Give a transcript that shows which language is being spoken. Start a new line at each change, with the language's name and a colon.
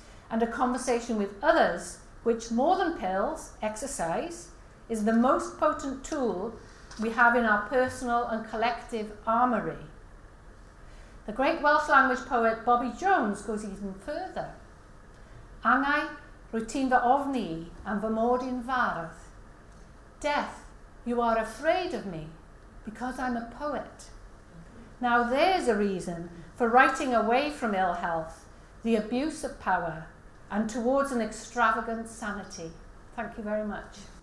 English: And a conversation with others, which more than pills, exercise, is the most potent tool we have in our personal and collective armoury. The great Welsh language poet Bobby Jones goes even further.
Welsh: Angai rwy'n fy ofni am fy mod i'n fardd.
English: Death, you are afraid of me because I'm a poet. Now there's a reason for writing away from ill health, the abuse of power, and towards an extravagant sanity. Thank you very much.